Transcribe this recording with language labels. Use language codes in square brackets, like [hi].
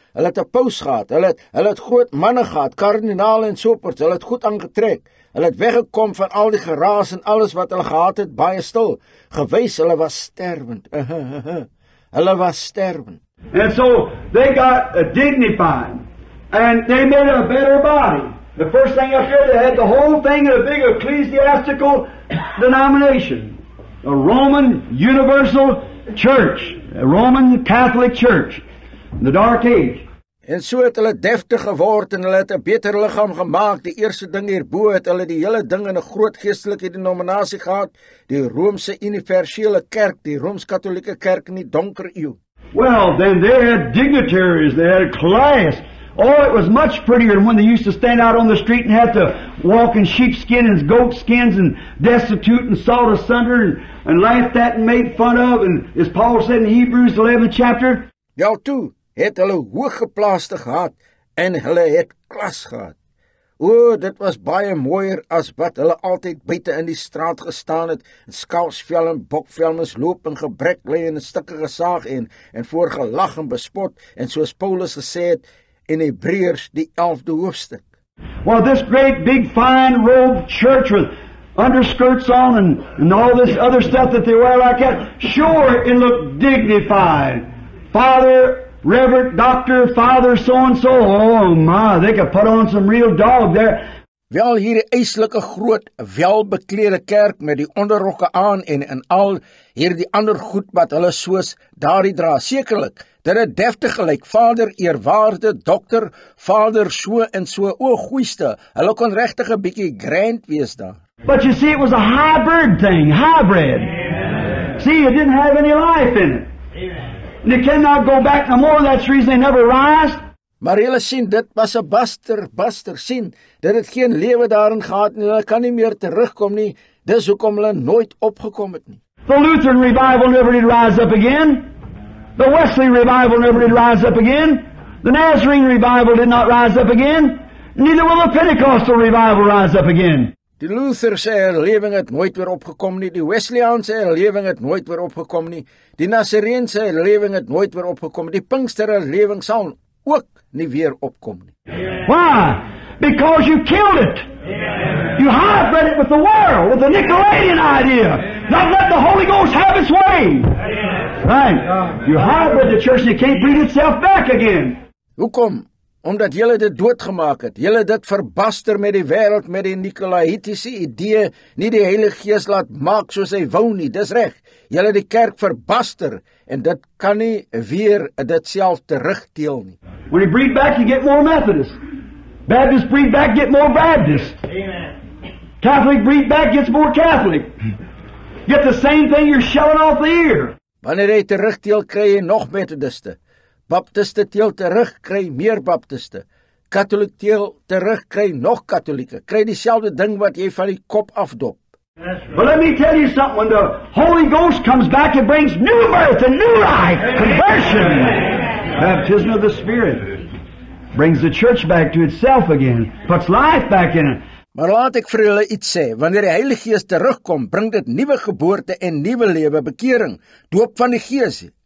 [af] Hulle het 'n paus gehad, hulle het groot manne gehad, kardinale en sopers, hulle het goed aangetrek. Hulle het weggekom van al die geraas en alles wat hulle gehad het, baie stil. Gewys, hulle was sterwend. Hulle was sterwend. [en] And so, they got a dignified, and they made a better body. The first thing up here, they had the whole thing in a big ecclesiastical denomination. A Roman universal church, a Roman Catholic church, in the dark age. [af] En so het hulle deftig geword en hulle het 'n beter liggaam gemaak. Die eerste ding hierbo het hulle die hele ding in 'n groot geestelike denominasie gehad, die Romeinse universele kerk, die Rooms-Katolieke kerk in die donker eeu. [en] Well, then they had dignitaries, they had class. Oh, it was much prettier than when they used to stand out on the street and had to walk in sheepskin and goat skins and destitute and sawed asunder and laughed at and made fun of. And as Paul said in Hebrews 11 chapter. [af] Ja, toe het hulle hooggeplaaste gehad en hulle het klas gehad. O, dit was baie mooier as wat hulle altyd buite in die straat gestaan het, en skaapsvel en bokvel misloop en gebrek lê en stukke gesaag en voor gelag en bespot, en soos Paulus gesê het in Hebreërs die 11de hoofstuk. [en] Well, this great big fine robed church with underskirts on and all this other stuff that they wear like that, sure it looked dignified. Father, Reverend Doctor, Father so-and-so, oh my, they could put on some real dog there. [af] Wel, hier die eislike groot, welbeklede kerk met die onderrokke aan en al hier die ander goed wat hulle soos daarie dra. Sekerlik, dit het deftig gelyk, Vader, eerwaarde, dokter, Vader, so en so, o, goeiste, hulle kon regtig 'n bietjie grand wees daar. [en] But you see, it was a hybrid thing, hybrid. Amen. See, it didn't have any life in it. And it cannot go back no more, that's the reason they never rise. [af] Maar jylle sien, dit was a buster, sien, dit het geen lewe daarin gehad, en jylle kan nie meer terugkom nie, dis hoekom jylle nooit opgekom het nie. [en] The Lutheran revival never did rise up again. The Wesley revival never did rise up again. The Nazarene revival did not rise up again. Neither will the Pentecostal revival rise up again. [af] Die Lutherse herlewing het nooit weer opgekom nie, die Wesleyanse herlewing het nooit weer opgekom nie, die Nazareense herlewing het nooit weer opgekom, die Pinkster herlewing sal ook nie weer opkom nie. [en] Why? Because you killed it. You hybrid it with the world, with the Nicolaitan idea. Not let the Holy Ghost have its way. Right? You hybrid the church, it can't breed itself back again. [af] Hoekom? Omdat jylle dit doodgemaak het, jylle dit verbaster met die wereld, met die Nicolaitiese idee, nie die Heilige Gees laat maak soos hy wou nie, dis reg, jylle die kerk verbaster, en dit kan nie weer dit self terugdeel nie. [en] When you breed back, you get more Methodist. Baptist breed back, get more Baptist. Amen. Catholic breed back, gets more Catholic. Get the same thing you're shelling off the ear. [af] Wanneer hy terugdeel, kry jy nog Methodiste. Baptiste teel terug, kry meer Baptiste. Katholiek teel terug, kry nog katholieke. Kry dieselfde ding wat jy van die kop afdop. [en] But let me tell you something, when the Holy Ghost comes back, it brings new birth and new life, conversion. Baptism of the Spirit brings the church back to itself again, puts life back in it. [af] Maar laat ek vir julle iets sê, wanneer die Heilige Gees terugkom, bring dit nuwe geboorte en nuwe lewe, bekering, doop van die Gees.